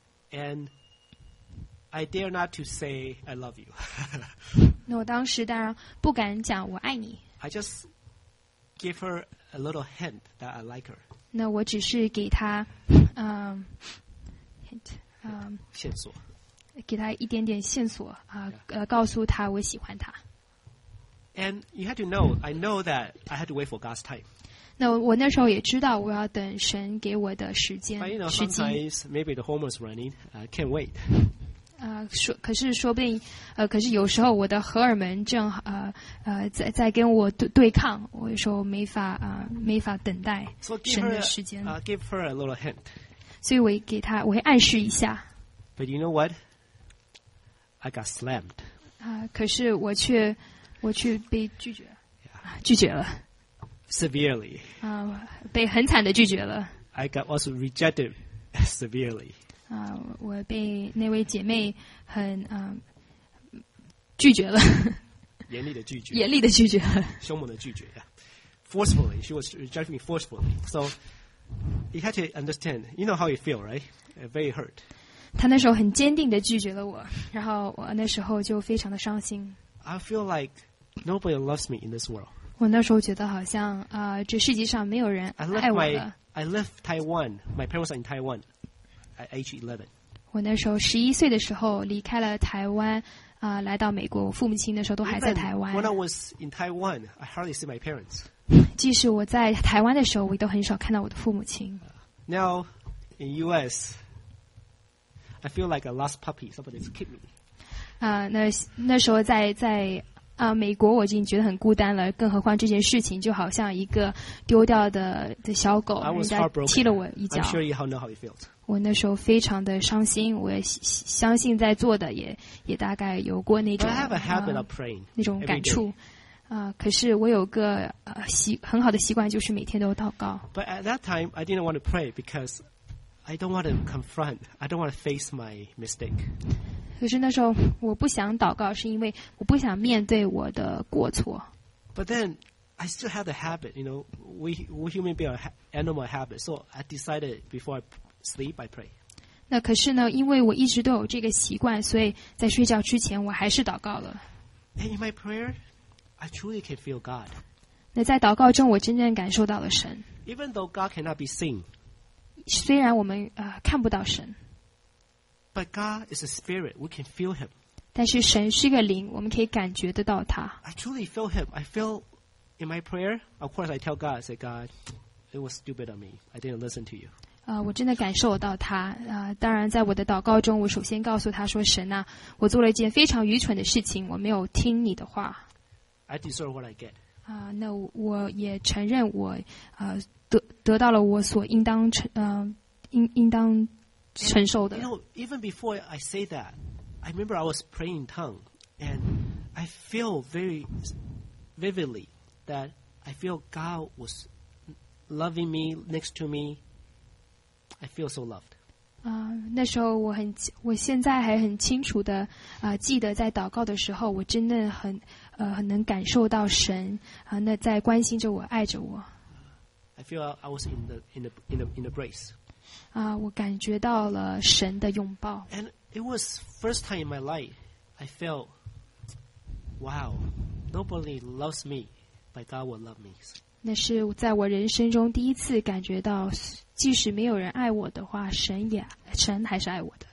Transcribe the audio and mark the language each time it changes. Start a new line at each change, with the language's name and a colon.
English: And I dare not to say I love you.
Chinese: 那我当时当然不敢讲我爱你。
English: I just give her a little hint that I like her.
Chinese: 那我只是给她hint. 线索，给他一点点线索啊，告诉他我喜欢他。
English: And you had to know, I know that I had to wait for God's time.
Chinese: 那我那时候也知道我要等神给我的时间。
English: But you know, sometimes maybe the hormones running, can't wait.
Chinese: 可是说不定，可是有时候我的荷尔蒙正在跟我对抗，我有时候没法等待神的时间。
English: So give her, give her a little hint.
Chinese: 所以我给他，我会暗示一下。
English: But you know what? I got slammed.
Chinese: 可是我却被拒绝，拒绝了
English: ，severely，
Chinese: 被很惨的拒绝了。
English: I got also rejected severely。
Chinese: 我被那位姐妹很拒绝了，严厉的拒绝，严厉的拒绝，凶猛的拒绝
English: ，forcefully， she was rejecting me forcefully。 So you had to understand， you know how you feel， right？ Very hurt。
Chinese: 她那时候很坚定的拒绝了我，然后我那时候就非常的伤心。
English: I feel like。 Nobody loves me in this world.
Chinese: 我那时候觉得好像这世界上没有人爱我了。
English: I left Taiwan. My parents are in Taiwan at age 11.
Chinese: 我那时候十一岁的时候离开了台湾，来到美国。我父母亲那时候都还在台湾。
English: Even when I was in Taiwan, I hardly see my parents.
Chinese: 即使我在台湾的时候，我都很少看到我的父母亲。
English: Now in U.S., I feel like a lost puppy. Somebody has kept me.
Chinese: 那时候在。美国我已经觉得很孤单了，更何况这件事情就好像一个丢掉 的小狗，人家踢了我一脚。
English: I'm sure you all know how you felt.
Chinese: 我那时候非常的伤心，我也相信在座的也大概有过那种
English: I have a habit of praying
Chinese: 那种感触。可是我有个很好的习惯，就是每天都祷告。
English: But at that time, I didn't want to pray because I don't want to confront. I don't want to face my mistake.
Chinese: 可是那时候我不想祷告，是因为我不想面对我的过错。
English: But then I still have the habit, you know, we human beings are animal habit. So I decided before I sleep, I pray.
Chinese: 那可是呢，因为我一直都有这个习惯，所以在睡觉之前我还是祷告了。
English: And in my prayer, I truly can feel God.
Chinese: 那在祷告中，我真正感受到了神。
English: Even though God cannot be seen,
Chinese: 虽然我们看不到神。
English: But God is a spirit. We can feel Him.
Chinese: 但是神是个灵，我们可以感觉得到他。
English: I truly feel Him. I feel in my prayer. Of course, I tell God, I say, God, it was stupid of me. I didn't listen to you.
Chinese: 我真的感受到他。当然，在我的祷告中，我首先告诉他说，神啊，我做了一件非常愚蠢的事情，我没有听你的话。
English: I deserve what I get.
Chinese: 那我也承认我得到了我所应当应当。承受的。
English: You know, even before I say that, I remember I was praying in tongue, and I feel very vividly that I feel God was loving me next to me. I feel so loved.
Chinese: 那时候我现在还很清楚的记得在祷告的时候，我真的很能感受到神那在关心着我，爱着我。
English: I feel I was in the embrace.
Chinese: 我感觉到了神的拥抱。
English: And it was first time in my life I felt, wow, nobody loves me, but God will love me.
Chinese: 那是在我人生中第一次感觉到，即使没有人爱我的话，神还是爱我的。